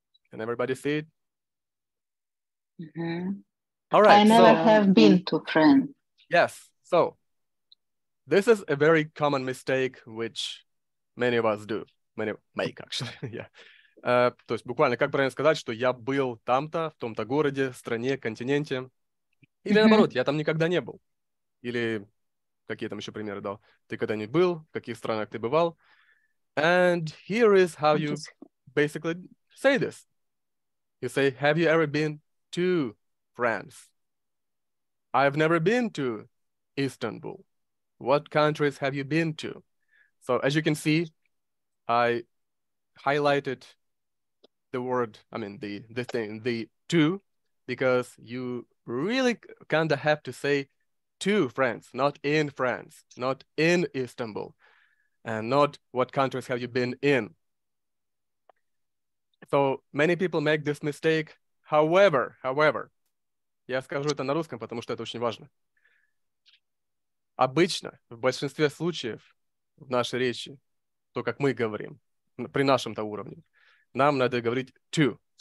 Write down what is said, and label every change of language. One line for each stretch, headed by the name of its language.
English: Can everybody see it? Mm-hmm. All right. I never have been to France. Yes. So this is a very common mistake which many of us do. Many make, actually. Yeah.
Russian: То есть буквально, как правильно сказать, что я был там-то, в том-то городе, стране, континенте. Или наоборот, я там никогда не был. Или какие там еще примеры дал? Ты когда-нибудь был? В каких странах ты бывал?
English: And here is how you basically say this. You say, have you ever been to France? I've never been to Istanbul. What countries have you been to? So as you can see, I highlighted the word, I mean, the thing, the to, because you really kind of have to say to France, not in Istanbul, and not what countries have you been in. So many people make this mistake. However,
Russian: я скажу это на русском, потому что это очень важно. Обычно, в большинстве случаев в нашей речи, то, как мы говорим, при нашем-то уровне, нам надо говорить to.